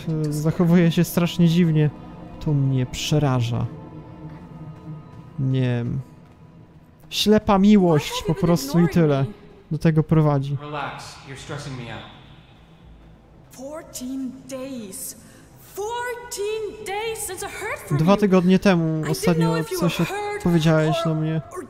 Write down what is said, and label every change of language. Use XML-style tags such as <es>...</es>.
<pl>Zachowuje się strasznie dziwnie. To mnie przeraża. Nie. Ślepa miłość po prostu i tyle. Do tego prowadzi.</pl> <en>Relax, you're stressing me out. 14 days. 14 days since I heard from you.</en> <pl>2 tygodnie temu ostatnio coś powiedziałeś do mnie.</pl>